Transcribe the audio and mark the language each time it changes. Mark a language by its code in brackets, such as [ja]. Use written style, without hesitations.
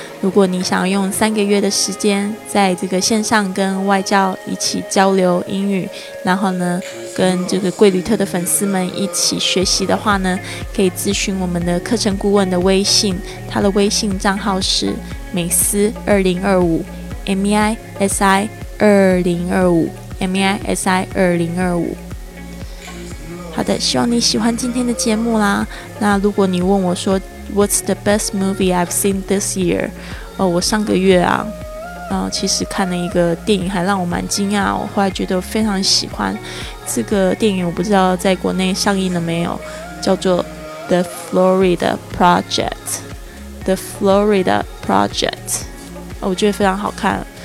[zh] 如果你想要用三个月的时间在这个线上跟外教一起交流英语，然后呢跟这个贵旅特的粉丝们一起学习的话呢，可以咨询我们的课程顾问的微信，他的微信账号是美思2025 MEISI 2025 MEISI 2025。好的，希望你喜欢今天的节目啦。那如果你问我说 [en] What's the best movie I've seen this year？ [zh] 哦，我上个月啊，其实看了一个电影，还让我蛮惊讶。我后来觉得非常喜欢这个电影，我不知道在国内上映了没有，叫做 The Florida Project。 The Florida Project，哦，我觉得非常好看。